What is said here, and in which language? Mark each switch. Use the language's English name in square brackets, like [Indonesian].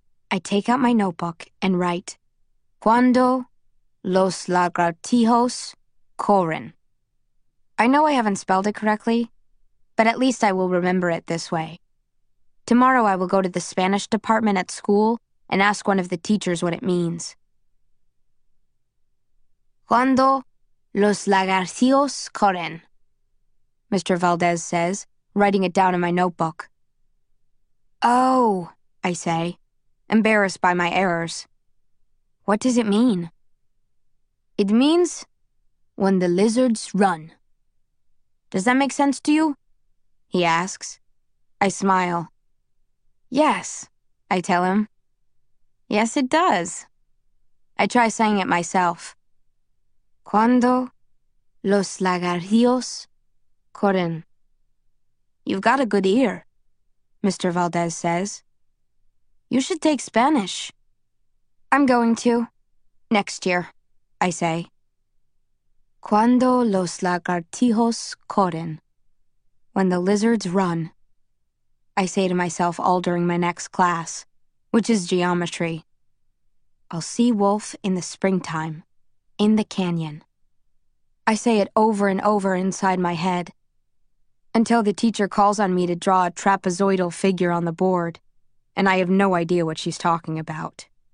[English] I take out my notebook and write, [Spanish] Cuando los lagartijos corren. [English] I know I haven't spelled it correctly, but at least I will remember it this way. Tomorrow I will go to the Spanish department at school and ask one of the teachers what it means. [Spanish] Cuando los lagartijos corren, [English] Mr. Valdez says, writing it down in my notebook. Oh, I say, embarrassed by my errors. What does it mean? It means when the lizards run. Does that make sense to you? He asks. I smile. Yes, I tell him. Yes, it does. I try saying it myself. [Spanish] Cuando los lagartijos corren. [English] You've got a good ear, Mr. Valdez says. You should take Spanish. I'm going to. Next year, I say. [Spanish] Cuando los lagartijos corren. [English] When the lizards run, I say to myself all during my next class, which is geometry. I'll see Wolf in the springtime, in the canyon. I say it over and over inside my head, until the teacher calls on me to draw a trapezoidal figure on the board, and I have no idea what she's talking about.